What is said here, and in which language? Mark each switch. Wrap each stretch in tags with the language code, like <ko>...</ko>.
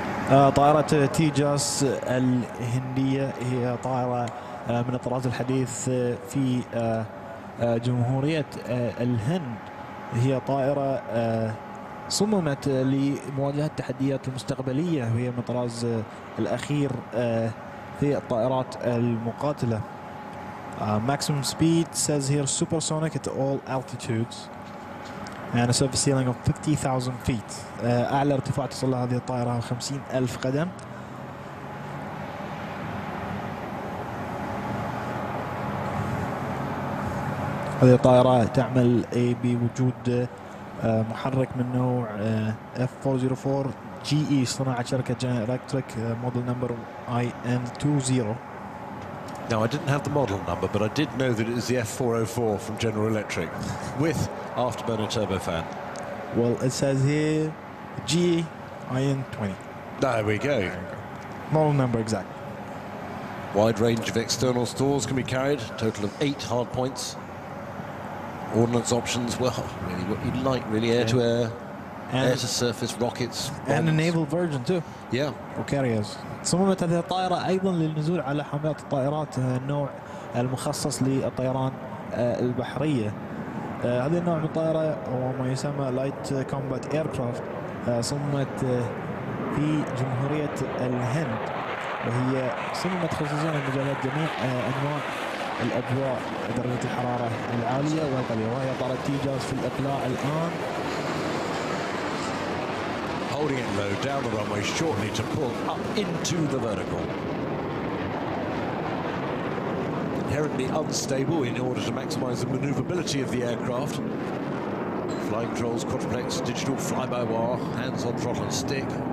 <ar>طائرة تيجاس الهندية هي طائرة من الطراز الحديث في جمهورية الهند. هي طائرة صممت لمواجهة التحديات المستقبلية, وهي من الطراز الأخير في الطائرات المقاتلة.</ar> <en>Maximum speed says here supersonic at all altitudes and a surface ceiling of 50,000 feet.</en> <ar>أعلى ارتفاع تصل هذه الطائرة 50,000 قدم. هذه الطائرة تعمل بوجود محرك من نوع F404GE صناعة شركة جنرال إلكتريك, موديل نمبر IN20.</ar> <en>Now, I didn't have the model number, but I did know that it was the F-404 from General Electric with afterburner turbofan. Well, it says here GIN20. There we go. Model number exact. Wide range of external stores can be carried. Total of 8 hard points. Ordnance options, well, really what you'd like, really, air-to-air, air-to-surface, rockets. And the naval version, too. Yeah. Or carriers.</en> <ar>صممت هذه الطائرة أيضاً للنزول على حاميات الطائرات النوع المخصص للطيران البحرية. هذا النوع من الطائرة هو ما يسمى Light Combat Aircraft. صممت في جمهورية الهند. وهي صممت خصوصاً لمجالات جميع أنواع الأجواء درجة الحرارة العالية والقليلة. وهي طائرة تيجاز في الإقلاع الآن.</ar> <en>Holding it low down the runway shortly to pull up into the vertical. Inherently unstable in order to maximize the maneuverability of the aircraft. Flight controls, quadruplex, digital fly-by-wire, hands on throttle and stick.</en>